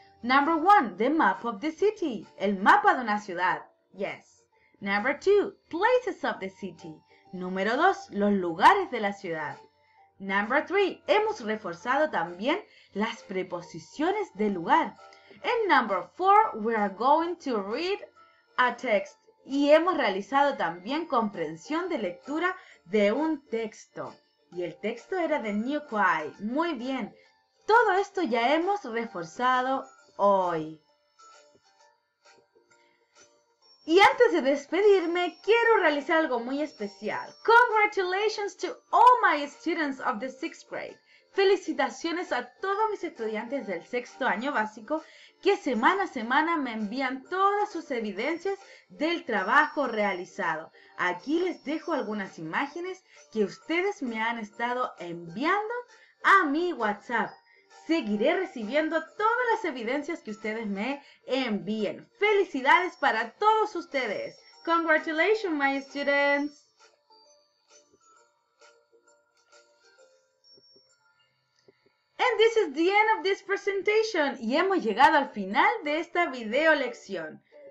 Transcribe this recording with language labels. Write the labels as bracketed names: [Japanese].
[English] Number one, the map of the city, [Spanish] el mapa de una ciudad, [English] yes. Number two, places of the city. [Spanish] Número dos, los lugares de la ciudad. [English] Number three, [Spanish] hemos reforzado también las preposiciones de lugar. [English] And number four, we are going to read a text. [Spanish] Y hemos realizado también comprensión de lectura de un texto. Y el texto era de New Kwai. Muy bien. Todo esto ya hemos reforzado hoy. Y antes de despedirme, quiero realizar algo muy especial. [English] Congratulations to all my students of the sixth grade. [Spanish] Felicitaciones a todos mis estudiantes del sexto año básico que semana a semana me envían todas sus evidencias del trabajo realizado. Aquí les dejo algunas imágenes que ustedes me han estado enviando a mi WhatsApp. Seguiré recibiendo todas las evidencias que ustedes me envíen. ¡Felicidades para todos ustedes! [English] ¡Congratulations, my students! And this is the end of this presentation. [Spanish] Y hemos llegado al final de esta video lección.